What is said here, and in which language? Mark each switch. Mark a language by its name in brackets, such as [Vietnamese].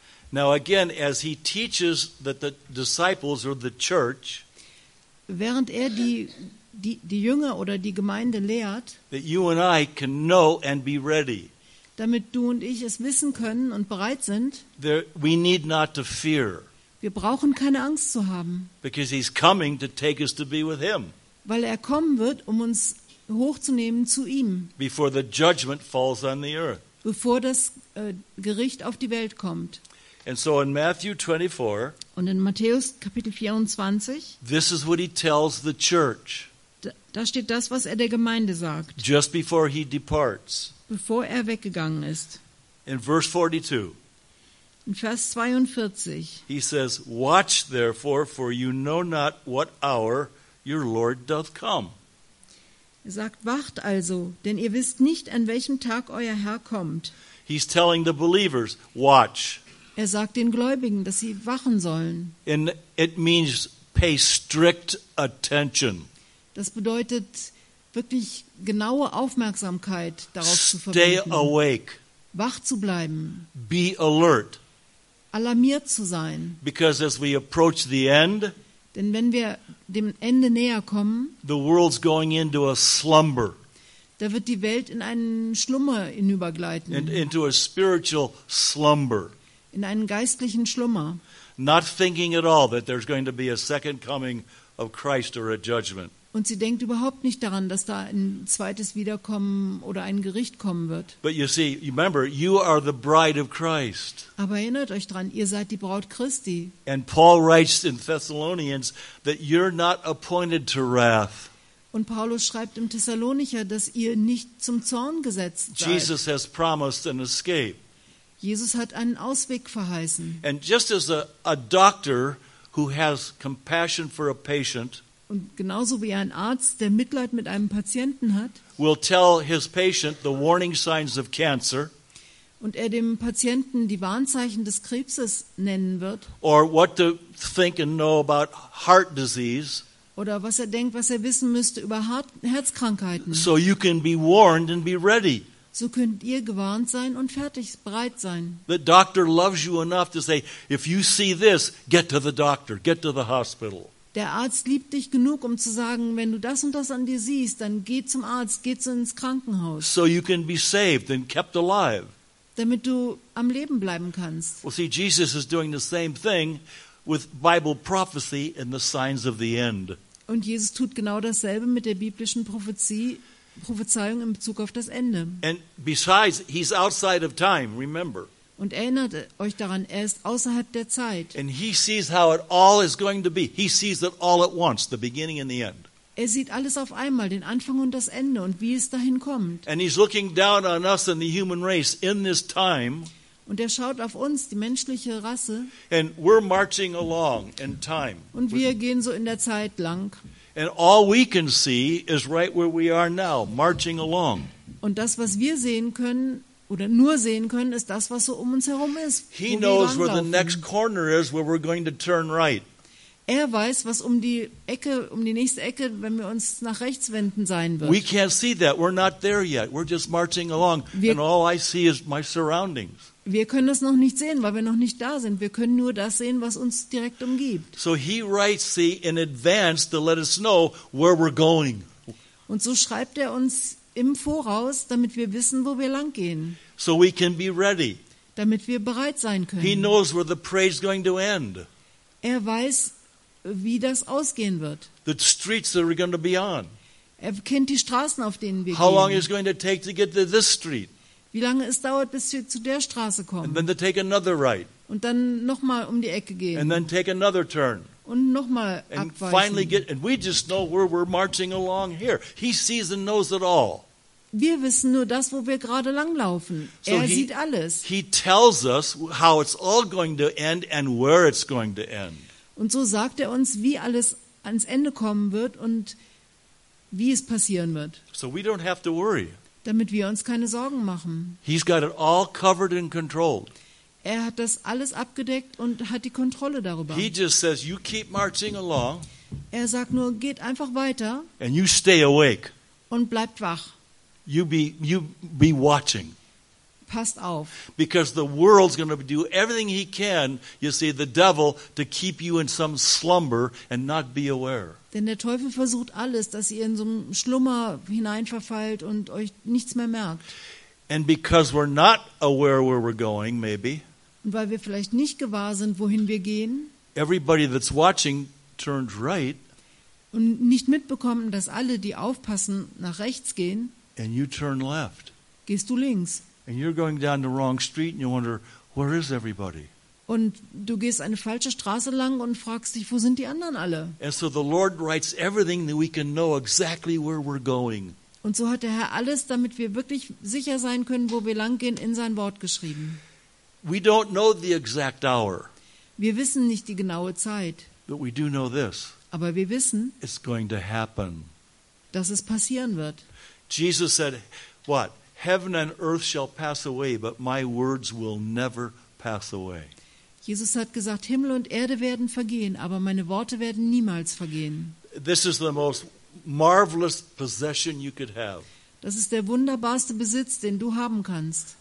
[English] Now again, as he teaches that the disciples or the church, [German] während er die Jünger oder die Gemeinde lehrt, [English] that you and I can know and be ready, [German] damit du und ich es wissen können und bereit sind, [English] there, we need not to fear, [German] wir brauchen keine Angst zu haben, [English] because he's coming to take us to be with him, [German] weil er kommen wird, um uns hochzunehmen zu ihm, [English] before the judgment falls on the earth, [German] bevor das Gericht auf die Welt kommt. [English] And so in Matthew 24, [German] und in Matthäus Kapitel 24, [English] this is what he tells the church. [German] Da steht das, was er der Gemeinde sagt. [English] Just before he departs. [German] Bevor er weggegangen ist. [English] In verse 42. [German] In Vers 42. [English] He says, "Watch therefore, for you know not what hour your Lord doth come." [German] Er sagt, wacht also, denn ihr wisst nicht, an welchem Tag euer Herr kommt. [English] He's telling the believers, watch. [German] Er sagt den Gläubigen, dass sie wachen sollen. [English] And it means pay strict attention. [German] Das bedeutet wirklich genaue Aufmerksamkeit darauf [English] Stay [German] zu verwenden. [English] Awake. [German] Wach zu bleiben. [English] Be alert. [German] Alarmiert zu sein. [English] Because as we approach the end, [German] denn wenn wir dem Ende näher kommen, [English] the world's going into a slumber. [German] Da wird die Welt in einen Schlummer hinübergleiten. [English] And into a spiritual slumber. [German] In einen geistlichen Schlummer. [English] Not thinking at all that there's going to be a second coming of Christ or a judgment. [German] Und sie denkt überhaupt nicht daran, dass da ein zweites Wiederkommen oder ein Gericht kommen wird. [English] But you see, remember, you are the bride of Christ. [German] Aber erinnert euch dran, ihr seid die Braut Christi. [English] And Paul writes in Thessalonians that you're not appointed to wrath. [German] Und Paulus schreibt im Thessalonicher, dass ihr nicht zum Zorn gesetzt seid. [English] Jesus has promised an escape. [German] Jesus hat einen Ausweg verheißen. [English] And just as a doctor who has compassion for a patient, [German] und genauso wie ein Arzt, der Mitleid mit einem Patienten hat, [English] will tell his patient the warning signs of cancer, [German] und er dem Patienten die Warnzeichen des Krebses nennen wird, [English] or what to think and know about heart disease, [German] oder was er denkt, was er wissen müsste über Herzkrankheiten, [English] so you can be warned and be ready. [German] So könnt ihr gewarnt sein und fertig bereit sein. [English] The doctor loves you enough to say, if you see this, get to the doctor, get to the hospital. [German] Der Arzt liebt dich genug, um zu sagen, wenn du das und das an dir siehst, dann geh zum Arzt, geh ins Krankenhaus. [English] So you can be saved and kept alive. [German] Damit du am Leben bleiben kannst. [English] Well, see, Jesus is doing the same thing with Bible prophecy and the signs of the end. [German] Und Jesus tut genau dasselbe mit der biblischen Prophezie. Prophezeiung in Bezug auf das Ende. [English] And besides, he's outside of time, remember. [German] Und erinnert euch daran, er ist außerhalb der Zeit. [English] And he sees how it all is going to be. He sees it all at once, the beginning and the end. [German] Er sieht alles auf einmal, den Anfang und das Ende und wie es dahin kommt. [English] And he's looking down on us and the human race in this time. [German] Und er schaut auf uns, die menschliche Rasse. [English] And we're marching along in time. [German] Und wir gehen so in der Zeit lang. [English] And all we can see is right where we are now, marching along. [German] Und das, was wir sehen können oder nur sehen können, ist das, was so um uns herum ist. [English] He knows where the next corner is, where we're going to turn right. [German] Er weiß, was um die Ecke, um die nächste Ecke, wenn wir uns nach rechts wenden, sein wird. [English] We can't see that. We're not there yet. We're just marching along, and all I see is my surroundings. [German] Wir können das noch nicht sehen, weil wir noch nicht da sind. Wir können nur das sehen, was uns direkt umgibt. [English] So he writes, see, in advance to let us know where we're going. [German] Und so schreibt er uns im Voraus, damit wir wissen, wo wir lang gehen. [English] So we can be ready. [German] Damit wir bereit sein können. [English] He knows where the parade is going to end. [German] Er weiß, wie das ausgehen wird. [English] The streets that we're going to be on. [German] Er kennt die Straßen, auf denen wir [English] How How long is going to take to get to this street? [German] Wie lange es dauert, bis wir zu der Straße kommen? [English] And then they take another right. [German] Und dann nochmal um die Ecke gehen. [English] And then take another turn. [German] Und nochmal abweichen. [English] And finally get. And we just know where we're marching along here. He sees and knows it all. [German] Wir wissen nur das, wo wir gerade langlaufen. So er sieht alles. [English] He tells us how it's all going to end and where it's going to end. [German] Und so sagt er uns, wie alles ans Ende kommen wird und wie es passieren wird. [English] So we don't have to worry. [German] Damit wir uns keine Sorgen machen. [English] He's got it all covered and controlled. [German] Er hat das alles abgedeckt und hat die Kontrolle darüber. [English] He just says, you keep marching along. [German] Er sagt nur, geht einfach weiter. [English] And you stay awake. [German] Und bleibt wach. [English] You be watching. [German] Passt auf. [English] Because the world's going to do everything he can, you see, the devil, to keep you in some slumber and not be aware. [German] Denn der Teufel versucht alles, dass ihr in so einem Schlummer hineinverfallt und euch nichts mehr merkt. [English] And because we're not aware where we're going, maybe. [German] Und weil wir vielleicht nicht gewahr sind, wohin wir gehen. [English] Everybody that's watching turns right. [German] Und nicht mitbekommen, dass alle, die aufpassen, nach rechts gehen. [English] And you turn left. [German] Gehst du links. [English] And you're going down the wrong street and you wonder, where is everybody? [German] Und du gehst eine falsche Straße lang und fragst dich, wo sind die anderen alle? [English] And so the Lord writes everything that we can know exactly where we're going. [German] Und so hat der Herr alles, damit wir wirklich sicher sein können, wo wir lang gehen, in sein Wort geschrieben. [English] We don't know the exact hour. [German] Wir wissen nicht die genaue Zeit. [English] But we do know this. [German] Aber wir wissen, [English] it's going to happen. [German] Dass es passieren wird. [English] Jesus said, what? Heaven and earth shall pass away, but my words will never pass away. [German] Jesus hat gesagt, Himmel und Erde werden vergehen, aber meine Worte werden niemals vergehen. [English] This is the most marvelous possession you could have. [German] Das ist der wunderbarste Besitz, den du haben kannst.